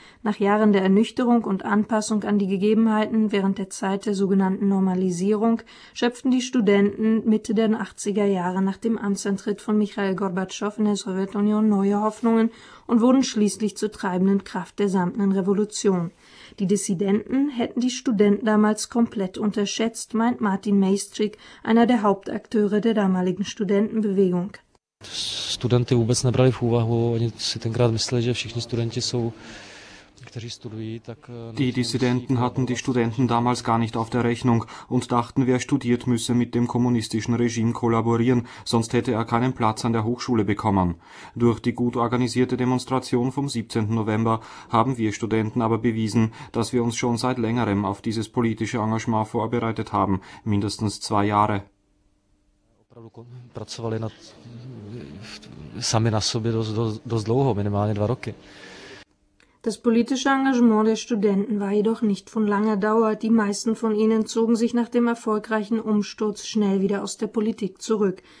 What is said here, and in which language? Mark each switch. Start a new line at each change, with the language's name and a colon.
German: Nach Jahren der Ernüchterung und Anpassung an die Gegebenheiten während der Zeit der sogenannten Normalisierung schöpften die Studenten Mitte der 80er Jahre nach dem Amtsantritt von Michail Gorbatschow in der Sowjetunion neue Hoffnungen und wurden schließlich zur treibenden Kraft der samtenen Revolution. Die Dissidenten hätten die Studenten damals komplett unterschätzt, meint Martin Mejstřík, einer der Hauptakteure der damaligen Studentenbewegung.
Czech: Studenty vůbec nebrali v úvahu, oni si tenkrát mysleli, že všichni studenti jsou...
German: Die Dissidenten hatten die Studenten damals gar nicht auf der Rechnung und dachten, wer studiert, müsse mit dem kommunistischen Regime kollaborieren, sonst hätte er keinen Platz an der Hochschule bekommen. Durch die gut organisierte Demonstration vom 17. November haben wir Studenten aber bewiesen, dass wir uns schon seit längerem auf dieses politische Engagement vorbereitet haben, mindestens 2 Jahre.
Czech: Pracovali nad, sami na sobě dost dlouho, minimálně 2 roky.
German: Das politische Engagement der Studenten war jedoch nicht von langer Dauer. Die meisten von ihnen zogen sich nach dem erfolgreichen Umsturz schnell wieder aus der Politik zurück.